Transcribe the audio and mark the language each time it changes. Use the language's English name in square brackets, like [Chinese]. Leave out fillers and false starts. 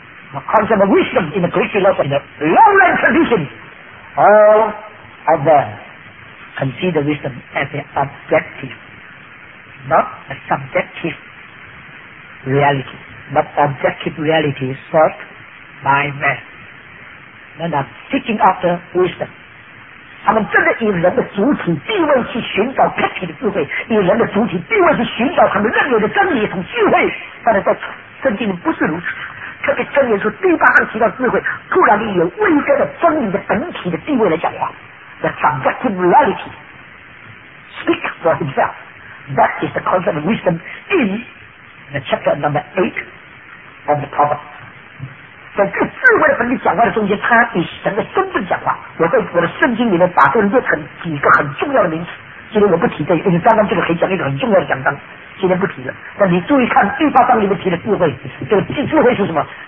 [English] The concept of wisdom in the Greek philosophy in the Lowland tradition, all of them consider wisdom as an objectiveNot a subjective reality, but objective reality sought by man. Men are seeking after wisdom. [Chinese] 他们真的以人的主体地位去寻找客体的智慧，以人的主体地位去寻找他们认有的真理和智慧。但是在圣经里不是如此，特别真言书第八章提到智慧，突然以未知的真理的本体的地位来讲话。 [English] The subjective reality speak for himself. That is the concept of wisdom in the chapter number 8 of the Proverbs. [Chinese] 在这个智慧的本体讲话的中间，他以神的身份讲话。我在我的圣经里面把这列成几个很重要的名词，今天我不提这个，因为刚刚这个可以讲一个很重要的讲章，今天不提了。那你注意看第八章里面提的智慧，这个智慧是什么？